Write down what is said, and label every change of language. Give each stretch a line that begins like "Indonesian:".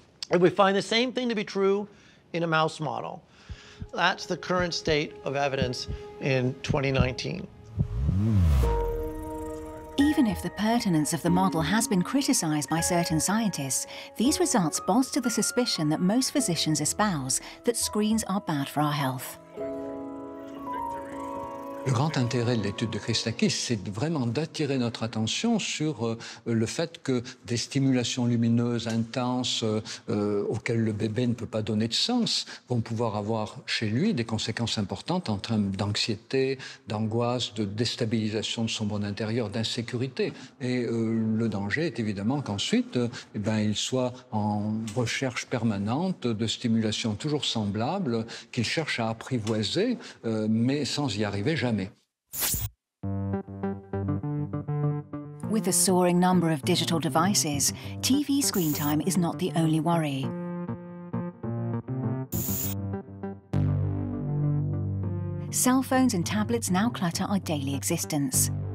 English: And we find the same thing to be true in a mouse model. That's the current state of evidence in 2019. Even if the pertinence of the model has been criticized by certain scientists, these results bolster the suspicion that most physicians espouse that screens are bad for our health.
French: Le grand intérêt de l'étude de Christakis, c'est vraiment d'attirer notre attention sur le fait que des stimulations lumineuses intenses auxquelles le bébé ne peut pas donner de sens vont pouvoir avoir chez lui des conséquences importantes en termes d'anxiété, d'angoisse, de déstabilisation de son monde intérieur, d'insécurité. Et le danger est évidemment qu'ensuite, il soit en recherche permanente de stimulations toujours semblables qu'il cherche à apprivoiser, mais sans y arriver jamais.
English: With the soaring number of digital devices, TV screen time is not the only worry. Cell phones and tablets now clutter our daily existence.